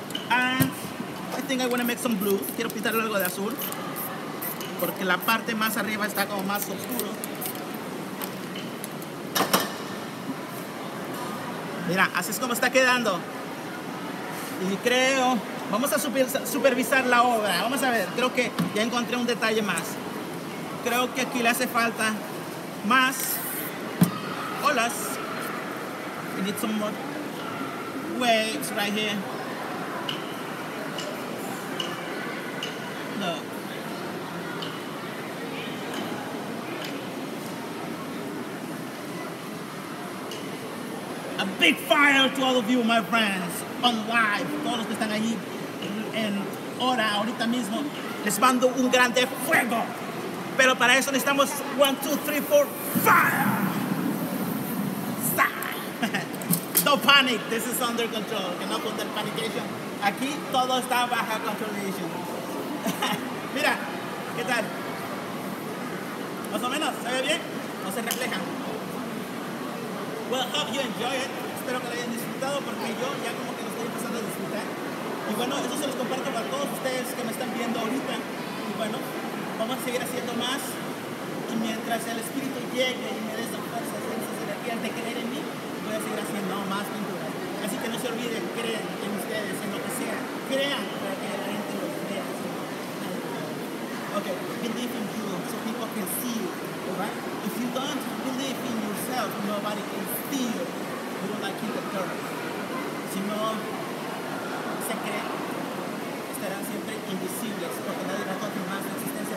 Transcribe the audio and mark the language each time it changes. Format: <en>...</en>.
<en>And I think I want to make some blue.</en> <es>Quiero pintarle algo de azul. Porque la parte más arriba está como más oscuro. Mira, así es como está quedando. Y creo, vamos a supervisar la obra. Vamos a ver, creo que ya encontré un detalle más. Creo que aquí le hace falta más olas.</es> <en>We need some more waves right here. No. A big fire to all of you, my friends. On live,</en> <es>todos los que están ahí en hora, ahorita mismo, les mando un grande fuego. Pero para eso necesitamos 1, 2, 3, 4,</es> <en>fire! Stop. no panic. This is under control. Cannot put the panication.</en> <es>Aquí todo está bajo control. Mira, ¿qué tal? Más o menos, ¿se ve bien? ¿O se refleja?</es> <en>Well, hope you enjoy it.</en> <es>Espero que lo hayan disfrutado porque yo ya como que lo estoy empezando a disfrutar. Y bueno, eso se los comparto para todos ustedes que me están viendo ahorita. Y bueno, vamos a seguir haciendo más. Y mientras el espíritu llegue y me dé esa fuerza, esa energía de creer en mí, voy a seguir haciendo más pintura. Así que no se olviden, crean en ustedes, en lo que sea. Crean para que la gente los vea.</es> <en>Okay, believe in you so people can see you. Alright? If you don't believe in yourself, nobody can see you. You don't like in the dark.</en> <es>Si no se cree, estarán siempre invisibles porque nadie va a confirmar su existencia.</es>